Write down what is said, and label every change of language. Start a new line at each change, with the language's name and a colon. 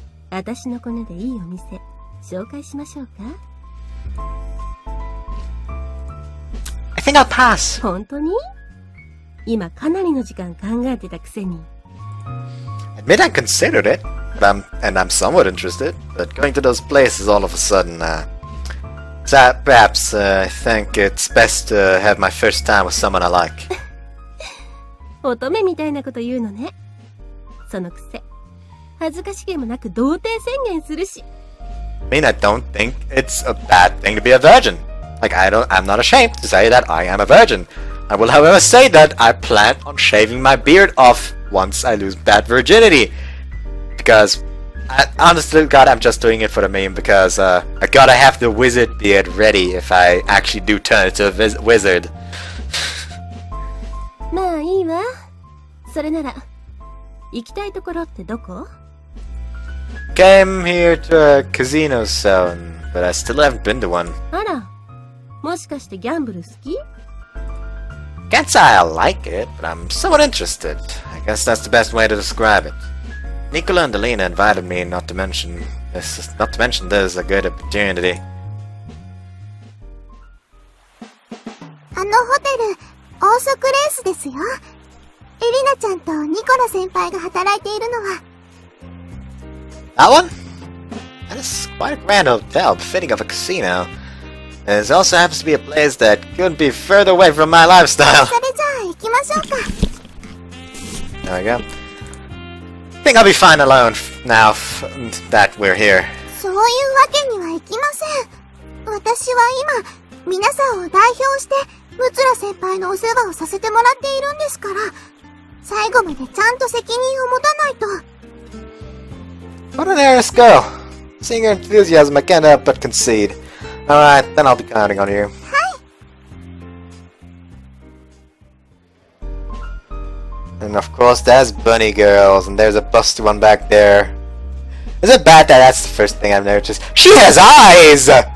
Japanese: 私のコネでいいお店、紹介しましょうか？
English: I think I'll pass.
Japanese: 本当に？今かなりの時間考えてたくせに。
English: Admit I considered it, but I'm somewhat interested. But going to those places all of a sudden, perhaps I think it's best to have my first time with someone I like.
Japanese: 乙女みたいなこと言うのね。そのくせ、恥ずかしげもなく童貞宣言するし。
English: I mean, I don't think it's a bad thing to be a virgin. Like, I'm not ashamed to say that I am a virgin. I will, however, say that I plan on shaving my beard off once I lose that virginity. Because, honestly, God, I'm just doing it for the meme. Because, I gotta have the wizard beard ready if I actually do turn into a wizard.
Japanese: まあ、いいわ。それなら、行きたいところってどこ？
English: Came here to a casino zone, but I still haven't been to one.
Japanese: あら。もしかしてギャンブル好き？
English: Can't say I like it, but I'm somewhat interested. I guess that's the best way to describe it. Nicola and Alina invited me, not to mention there's a good opportunity.
Japanese: あのホテル、王族レースですよ。エリナちゃんとニコラ先輩が働いているのは。
English: That one? That is quite a grand hotel, fitting of a casino. This also happens to be a place that couldn't be further away from my lifestyle. There we go. I think I'll be fine alone now that we're here.
Japanese: そういうわけにはいきません。私は今、皆さんを代表して、ムツラ先輩のお世話をさせてもらっているんですから、最後までちゃんと責任を持たないと。
English: What an heiress girl! Seeing her enthusiasm, I can't help but concede. Alright, then I'll be counting on you.
Japanese: はい。
English: And of course, there's bunny girls, and there's a busty one back there. Is it bad that that's the first thing I've noticed? She has eyes!